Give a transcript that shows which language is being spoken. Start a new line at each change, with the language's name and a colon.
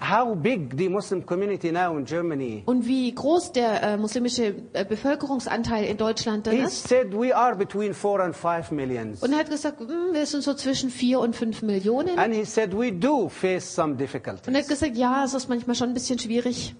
English: How big the Muslim community now in Germany?
German: Und wie groß der muslimische Bevölkerungsanteil in Deutschland dann ist.
English: He said we are between 4 and 5 million.
German: Und er hat gesagt, wir sind so zwischen 4 und 5 Millionen.
English: And he said we do face some difficulties.
German: Und er hat gesagt, ja, es ist manchmal schon ein bisschen schwierig.